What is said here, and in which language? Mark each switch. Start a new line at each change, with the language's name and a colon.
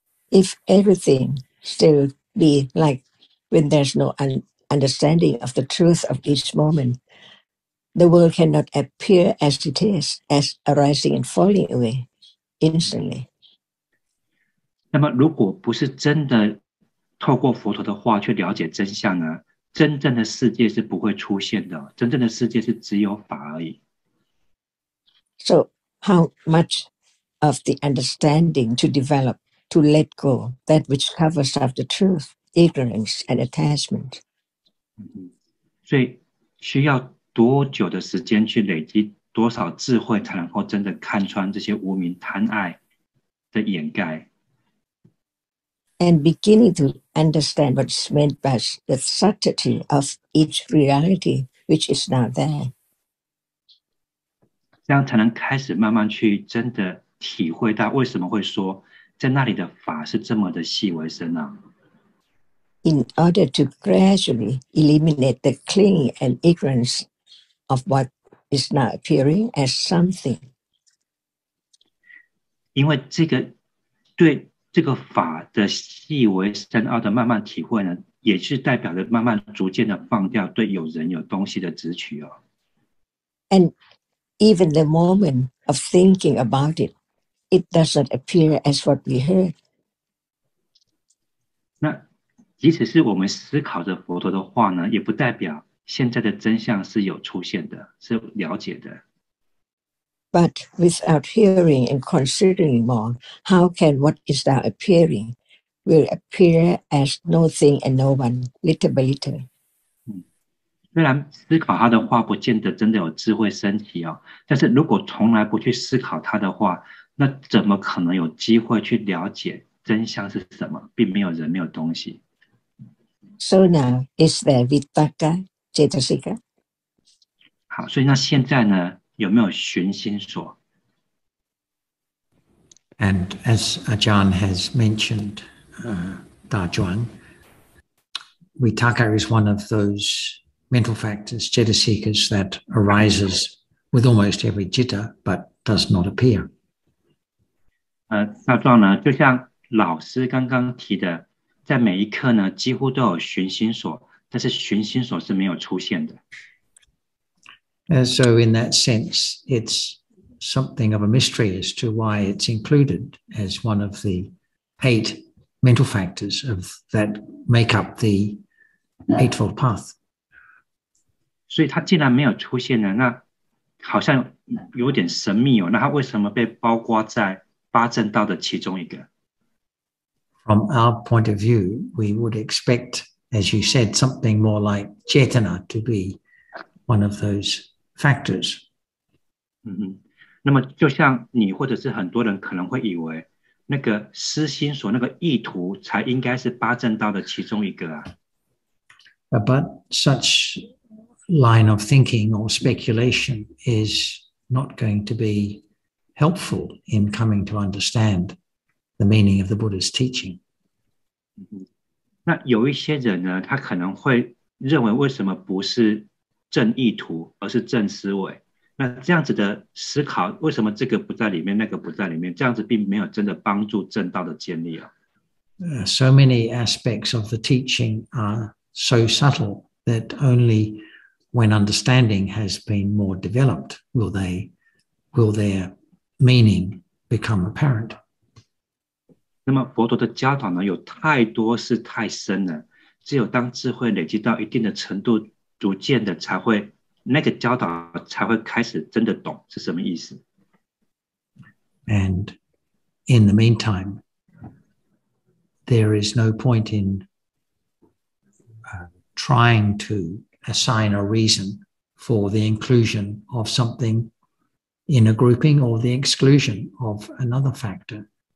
English: If everything still be like when there's no understanding of the truth of each moment, the world cannot appear as it is, as arising and falling away instantly.
Chinese: 那么如果不是真的透过佛陀的话去了解真相呢？真正的世界是不会出现的，真正的世界是只有法而已。
English: So how much of the understanding to developTo let go that which covers up the truth, ignorance, and attachment.
Chinese: 所以需要多久的时间去累积多少智慧，才能够真的看穿这些无明贪爱的掩盖
English: ？And beginning to understand what's meant by the subtlety of each reality which is now there.
Chinese: 这样才能开始慢慢去真的体会到为什么会说。在那里的法是这么的细微深啊。
English: In order to gradually eliminate the clinging and ignorance of what is now appearing as something.
Chinese: 因为这个对这个法的细微深奥的慢慢体会呢，也是代表着慢慢逐渐的放掉对有人有东西的执取哦。
English: And even the moment of thinking about it. It doesn't appear as what we heard.
Chinese: 那即使是我们思考着佛陀的话呢，也不代表现在的真相是有出现的，是了解的。
English: But without hearing and considering more, how can what is now appearing will appear as nothing and no one, little by little?
Chinese: 虽然思考他的话不见得真的有智慧升起哦，但是如果从来不去思考他的话，那怎么可能有机会去了解真相是什么？并没有人，没有东西。
English: So now, is there vitakka, cittasikka?
Chinese: 好，所以那现在呢，有没有寻心所
English: ？And as Ajahn has mentioned, Da Zhuang, vitakka is one of those mental factors, cittasikkas that arises with almost every citta, but does not appear.
Chinese: 那状呢，就像老师刚刚提的，在每一刻呢，几乎都有寻心所，但是寻心所是没有出现的。
English: So in that sense, it's something of a mystery as to why it's included as one of the 8 mental factors of that make up the Eightfold Path.
Chinese: 所以它既然没有出现呢，那好像有点神秘哦。那它为什么被包括在？
English: From our point of view, we would expect, as you said, something more like jetana to be one of those factors.
Chinese: 那么就像你或者是很多人可能会以为，那个私心所那个意图才应该是八正道的其中一个啊。
English: But such line of thinking or speculation is not going to be helpful in coming to understand the meaning of the Buddha's teaching.
Chinese: 那有一些人呢，他可能会认为为什么不是正意图，而是正思维？那这样子的思考，为什么这个不在里面，那个不在里面？这样子并没有真的帮助正道的建立啊。
English: So many aspects of the teaching are so subtle that only when understanding has been more developed will their meaning become apparent.
Chinese: 那么佛陀的教导呢，有太多是太深了，只有当智慧累积到一定的程度，逐渐的才会那个教导才会开始真的懂是什么意思。
English: And in the meantime, there is no point in trying to assign a reason for the inclusion of something in a grouping or the exclusion of another factor.